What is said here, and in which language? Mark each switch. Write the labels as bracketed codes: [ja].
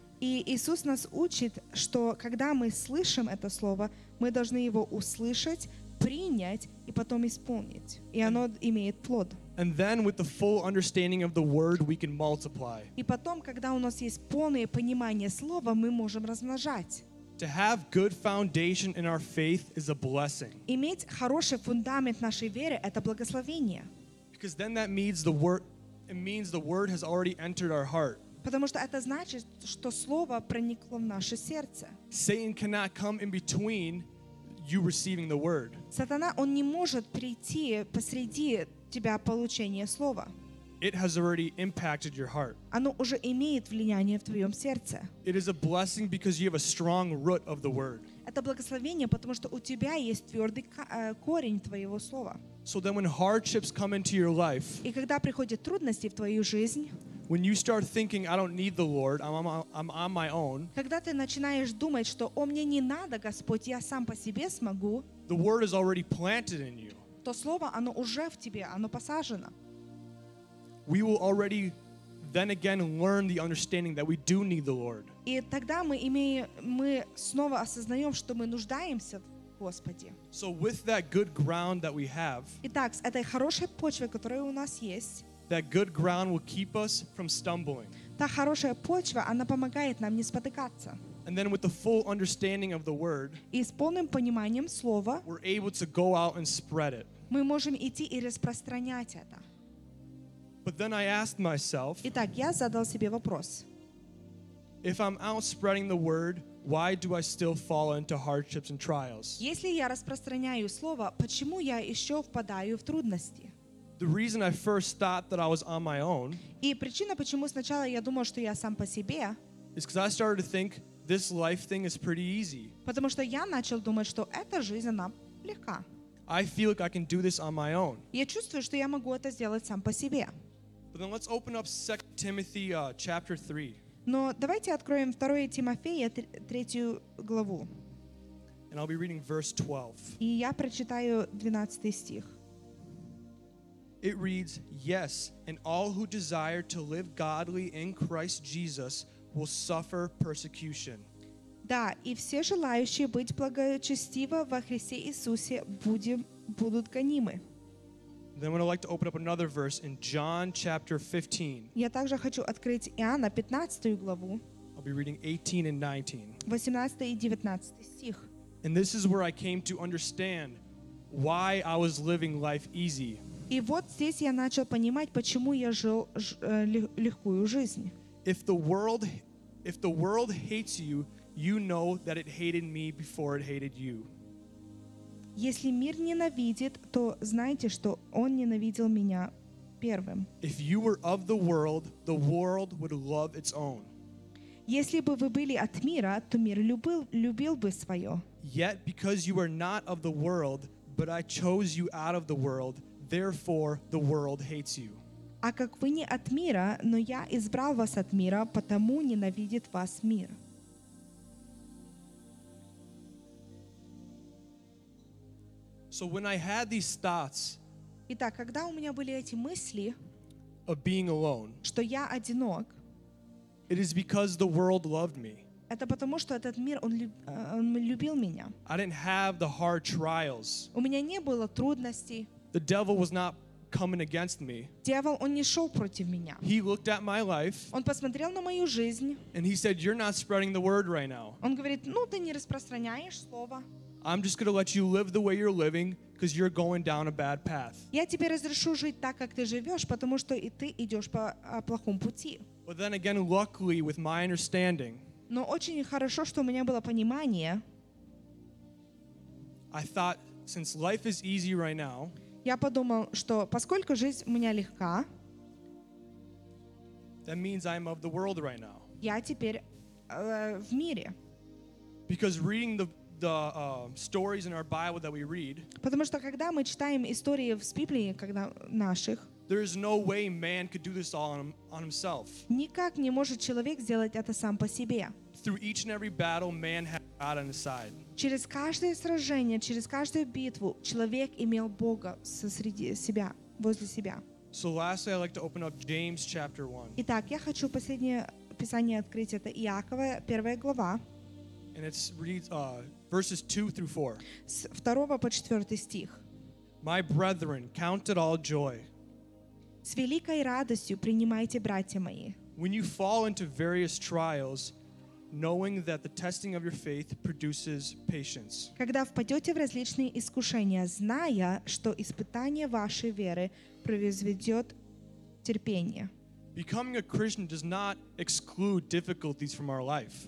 [ru] И Иисус нас учит, что когда мы слышим это слово, мы должны его услышать, принять и потом исполнить. И оно имеет плод. [en] And then with the full understanding of the word, we can multiply. [ru] И потом, когда у нас есть полное понимание слова, мы можем размножать. [en] To have good foundation in our faith is a blessing. [ru] Иметь хороший фундамент нашей веры — это благословение. [en] Because then that means the word, it means the word has already entered our heart. [ru] Потому что это значит, что слово проникло в наше сердце. [en] Satan cannot come in between you receiving the word. [ru] Сатана, он не может прийти посреди тебя получение слова. [en] It has already impacted your heart. [ru] Оно уже имеет влияние в твоем сердце. [en] It is a blessing because you have a strong root of the word. [ru] это благословение, потому что у тебя есть твердый корень твоего слова. [en] So then when hardships come into your life, [ru] и когда приходят трудности в твою жизнь, [en] when you start thinking, I don't need the Lord, I'm on my own, [ru] когда ты начинаешь думать, что о, мне не надо, Господь, я сам по себе смогу, [en] the word is already planted in you. [ru] То слово, оно уже в тебе, оно посажено. [en] We will already then again learn the understanding that we do need the Lord. [ru] И тогда мы снова осознаем, что мы нуждаемся в Господе. [en] So with that good ground that we have, [ru] итак, с этой хорошей почвой, которая у нас есть, [en] that good ground will keep us from stumbling. [ru] Та хорошая почва, она помогает нам не спотыкаться. [en] And then with the full understanding of the word, [ru] и с полным пониманием слова, [en] we're able to go out and spread it. [ru] Мы можем идти и распространять это. [en] But then I asked myself, [ru] итак, я задал себе вопрос. [en] If I'm out spreading the word, why do I still fall into hardships and trials? [ru] Если я распространяю слово, почему я еще впадаю в трудности? [en] The reason I first thought that I was on my own, [ru] и причина, почему сначала я думал, что я сам по себе, [en] is because I started to think this life thing is pretty easy. [ru] Потому что я начал думать, что эта жизнь, она легка. [en] I feel like I can do this on my own. [ru] Я чувствую, что я могу это сделать сам по себе. [en] But then let's open up 2 Timothy chapter 3. [ru] Но давайте откроем 2 Тимофея 3 главу. [en] And I'll be reading verse 12. [ru] И я прочитаю 12 стих. [en] It reads, "Yes, and all who desire to live godly in Christ Jesus will suffer persecution." [ru] Да, и все желающие быть благочестиво во Христе Иисусе будут гонимы. [en] Then I'd like to open up another verse in John chapter 15. [ru] Я также хочу открыть Иоанна 15 главу. [en] I'll be reading 18 and 19. [ru] 18 и 19 стих. [en] And this is where I came to understand why I was living life easy. [ru] И вот здесь я начал понимать, почему я жил легкую жизнь. [en] If the world hates you, you know that it hated me before it hated you. [ru] Если мир ненавидит, то знайте, что он ненавидел меня первым. [en] If you were of the world would love its own. [ru] Если бы вы были от мира, то мир любил бы свое. [en] Yet because you are not of the world, but I chose you out of the world, therefore the world hates you. [ru] А как вы не от мира, но я избрал вас от мира, потому ненавидит вас мир. [en] So when I had these thoughts, [ru] итак, когда у меня были эти мысли, [en] of being alone, [ru] что я одинок, [en] it is because the world loved me. [ru] Это потому, что этот мир, он любил меня. [en] I didn't have the hard trials. [ru] У меня не было трудностей. [en] The devil was not coming against me. [ru] Дьявол, он не шел против меня. [en] He looked at my life. [ru] Он посмотрел на мою жизнь. [en] And he said, "You're not spreading the word right now." [ru] Он говорит, ну ты не распространяешь слово. [en] I'm just going to let you live the way you're living because you're going down a bad path. [ru] Я тебе разрешу жить так, как ты живешь, потому что и ты идешь по плохому пути. [en] But then again, luckily, with my understanding, [ru] но очень хорошо, что у меня было понимание. [en] I thought, since life is easy right now, [ru] я подумал, что поскольку жизнь у меня легка, [en] that means I'm of the world right now. [ru] Я теперь в мире. [en] Because reading the stories in our Bible that we read, [ru] потому что когда мы читаем истории из Библии, когда наших, [en] there is no way man could do this all on himself. [ru] Никак не может человек сделать это сам по себе. [en] Through each and every battle, man had God on his side. [ru] Через каждое сражение, через каждую битву, человек имел Бога среди себя, возле себя. [en] So lastly, I'd like to open up James chapter 1. [ru] Итак, я хочу последнее писание открыть, это Иакова, первая глава. [en] And it reads verses 2 through 4. [ru] С 2 по 4 стих. [en] My brethren, count it all joy. [ru] С великой радостью принимайте, братья мои. [en] When you fall into various trials, knowing that the testing of your faith produces patience. [ru] Когда впадете в различные искушения, зная, что испытание вашей веры произведет терпение. [en] Becoming a Christian does not exclude difficulties from our life.